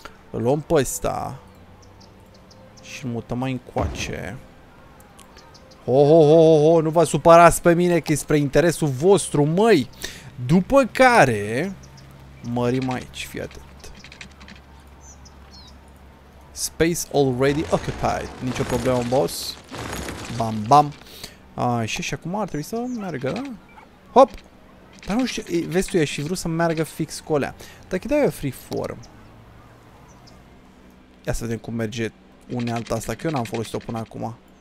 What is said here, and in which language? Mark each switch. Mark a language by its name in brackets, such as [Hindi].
[Romanian] Îl luăm pe ăsta. Și-l mutăm mai încoace. Ho, ho, ho, ho, ho, nu vă supărați pe mine că e spre interesul vostru, măi. După care mărim aici, fii atent. [English] Space already occupied. [Romanian] Nicio problemă, boss. Bam, bam. Așa, și acum ar trebui să meargă, da? Hop. Dar nu știu, vezi tu, și vrut să meargă fix cu alea. Dar chiar dai o free form. Ia să vedem cum merge unealta asta, că eu n-am folosit-o până acum.